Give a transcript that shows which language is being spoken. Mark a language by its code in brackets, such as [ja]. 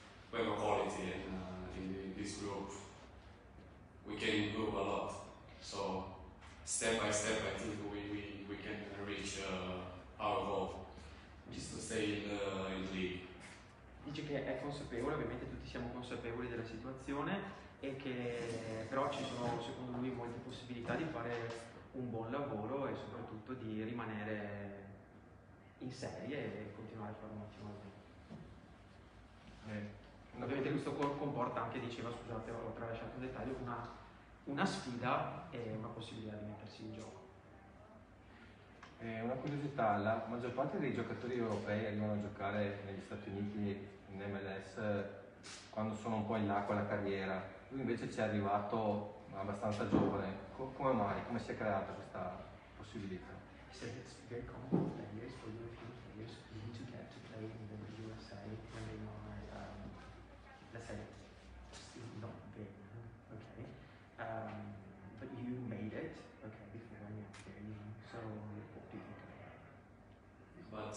[en] we have a quality in this group, we can improve a lot, so step by step I think we can reach our goal, which is to stay in the league. [it] Dice che è consapevole, ovviamente tutti siamo consapevoli della situazione, e che però ci sono secondo lui molte possibilità di fare un buon lavoro e soprattutto di rimanere in serie e continuare a fare un ottimo lavoro. Ovviamente questo comporta anche, diceva, scusate, ho tralasciato un dettaglio, una sfida e una possibilità di mettersi in gioco. Una curiosità, la maggior parte dei giocatori europei arrivano a giocare negli Stati Uniti in MLS quando sono un po' in là con la carriera, lui invece ci è arrivato abbastanza giovane, come mai? Come si è creata questa possibilità? [en] He said it's very common for players, for European players, who need to get to play in the USA when they are, let's say, still not big, okay? But you made it, okay, before when you're very young, so what do you think about that?